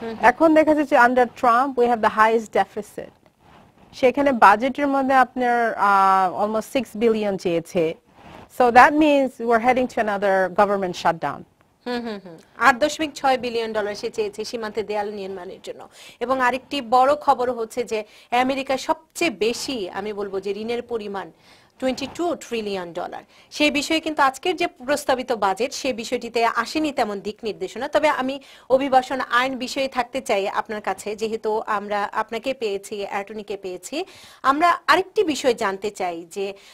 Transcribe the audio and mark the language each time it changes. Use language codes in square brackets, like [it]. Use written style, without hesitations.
[bn] এখন দেখা যাচ্ছে [en] under Trump we have the highest deficit. [bn] সেখানে বাজেটের মধ্যে আপনার [en] almost $6 billion [bn] চেয়েছে. [en] So that means we're heading to another government shutdown. [bn] $8.6 billion সে চেয়েছে সীমান্তে দেয়াল নির্মাণের জন্য এবং আরেকটি বড় খবর হচ্ছে যে আমেরিকা সবচেয়ে বেশি আমি বলবো যে ঋণের পরিমাণ $22 trillion সেই বিষয়ে কিন্তু আজকের যে প্রস্তাবিত বাজেট সেই বিষয়টিতে আসেনি তেমন দিক নির্দেশনা তবে আমি অভিবাসন আইন বিষয়ে থাকতে চাই আপনার কাছে যেহেতু আমরা আপনাকে পেয়েছি অ্যাটর্নিকে পেয়েছি আমরা আরেকটি বিষয় জানতে চাই যে